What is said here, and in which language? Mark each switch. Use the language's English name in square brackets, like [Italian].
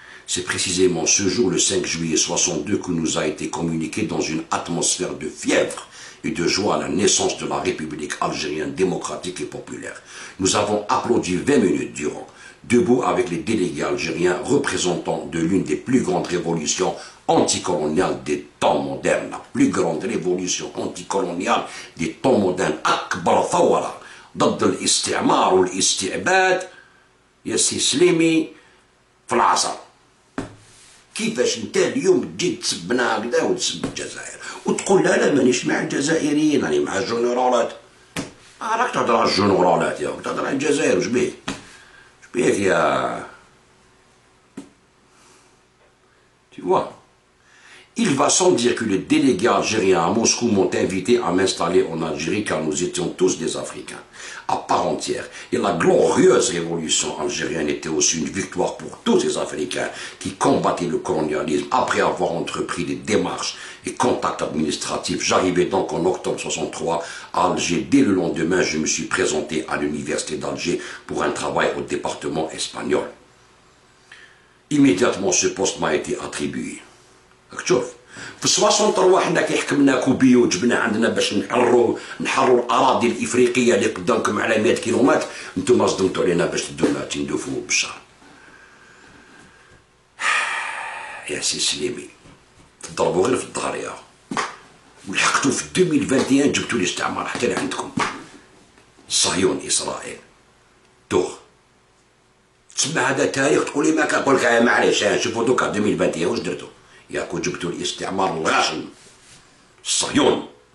[French] C'est précisément ce jour, le 5 juillet 62, que nous a été communiqué dans une atmosphère de fièvre et de joie à la naissance de la République algérienne démocratique et populaire. Nous avons applaudi 20 minutes durant, debout avec les délégués algériens représentant de l'une des plus grandes révolutions anticoloniales des temps modernes. La plus grande révolution anticoloniale des temps modernes. [Arabic] Akbar Thawara, ضد الاستعمار والاستعباد يا سي سليمي في العصر. كيفاش انت اليوم تجي تسبنا هكذا وتسب الجزائر وتقول لا لا مانيش مع الجزائريين، راني مع الجنرالات. راك تهضر على الجنرالات ياك، تهضر على الجزائر، واش بيك؟ واش بيك يا تيوا؟ [French] Il va sans dire que les délégués algériens à Moscou m'ont invité à m'installer en Algérie car nous étions tous des Africains, à part entière. Et la glorieuse révolution algérienne était aussi une victoire pour tous les Africains qui combattaient le colonialisme. Après avoir entrepris des démarches et contacts administratifs, j'arrivais donc en octobre 63 à Alger. Dès le lendemain, je me suis présenté à l'université d'Alger pour un travail au département espagnol. Immédiatement, ce poste m'a été attribué. [Arabic] شوف في 63 حنا كي حكمنا كوبيو جبنا عندنا باش نحروا الاراضي الافريقيه اللي قدامكم على 100 كيلومتر، انتم صدمتوا علينا باش تدونا تندوفوا بالشهر. يا سي سليمي تضربوا غير في الظهر يا ولحقتوا في 2021 جبتوا لي استعمار حتى لعندكم صهيون اسرائيل دوغ تسمى هذا تاريخ تقولي ما كنقول لك معليش شوفوا دوكا 2021 واش درتوا ياكو جبتو الاستعمار الغاشم الصهيون